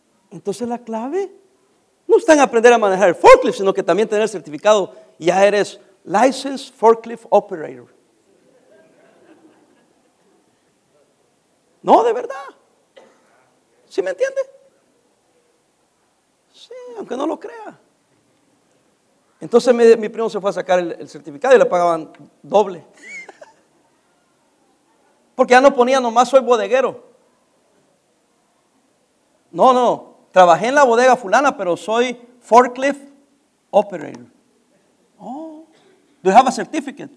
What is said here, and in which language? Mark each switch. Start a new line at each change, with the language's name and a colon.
Spanish: Entonces la clave no está en aprender a manejar el forklift, sino que también tener el certificado. Ya eres
English: licensed forklift operator.
Spanish: No, de verdad. ¿Sí me entiende? Sí, aunque no lo crea. Entonces mi primo se fue a sacar el certificado y le pagaban doble. Porque ya no ponía nomás soy bodeguero. No, trabajé en la bodega fulana, pero soy forklift operator.
English: Oh, do you have a certificate?